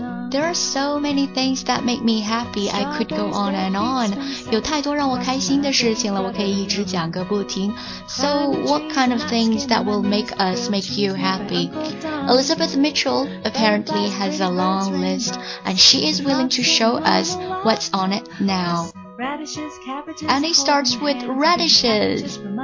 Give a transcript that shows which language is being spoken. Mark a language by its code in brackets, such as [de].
[en] There are so many things that make me happy. I could go on and on. [zh] 有太多让我开心的事情了，我可以一直讲个不停。 [en] So what kind of things that will make you happy? Elizabeth Mitchell apparently has a long list, and she is willing to show us what's on it now. And it starts with radishes.